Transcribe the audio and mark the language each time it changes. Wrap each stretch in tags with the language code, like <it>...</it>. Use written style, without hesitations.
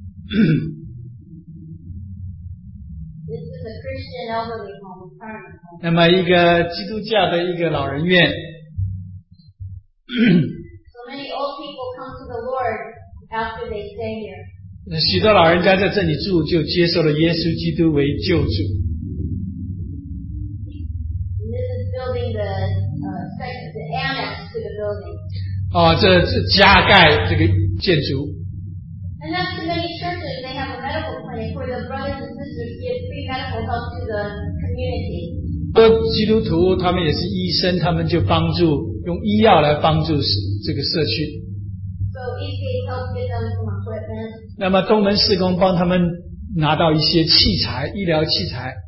<en>This is a Christian elderly home, retirement home.</en> <zh>那么一个基督教的一个老人院。</zh> <en>So many old people come to the Lord after they stay here.</en> <zh>许多老人家在这里住，就接受了耶稣基督为救主。</zh> <en>This is building the annex to the building.</en> <zh>哦，这加盖这个建筑。</zh> <en>And that's too many churches. They have a medical clinic where the brothers and sisters give free medical help to the community.</en> <zh>多基督徒他们也是医生，他们就帮助用医药来帮助这个社区。</zh> <en>So EC helps get them some equipment.</en> <zh>那么东门事工帮他们拿到一些器材，医疗器材。</zh>